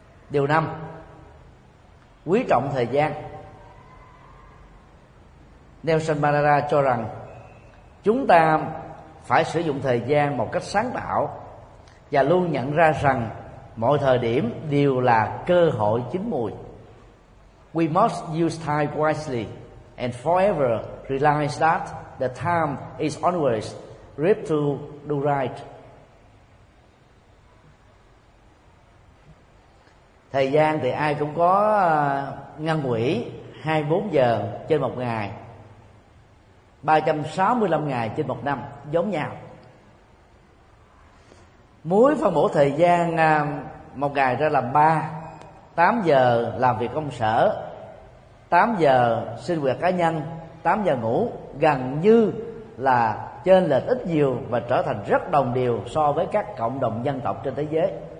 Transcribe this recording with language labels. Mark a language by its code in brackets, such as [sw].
[vi] Điều năm, quý trọng thời gian. Nelson Mandela cho rằng chúng ta phải sử dụng thời gian một cách sáng tạo và luôn nhận ra rằng mọi thời điểm đều là cơ hội chín mùi. [en] We must use time wisely and forever realize that the time is always ripe to do right. [vi] Thời gian thì ai cũng có ngăn nghỉ 24 giờ trên một ngày, 365 ngày trên một năm giống nhau. Muốn phân bổ thời gian một ngày ra làm 3, 8 giờ làm việc công sở, 8 giờ sinh hoạt cá nhân, 8 giờ ngủ, gần như là chênh lệch ít nhiều và trở thành rất đồng đều so với các cộng đồng dân tộc trên thế giới.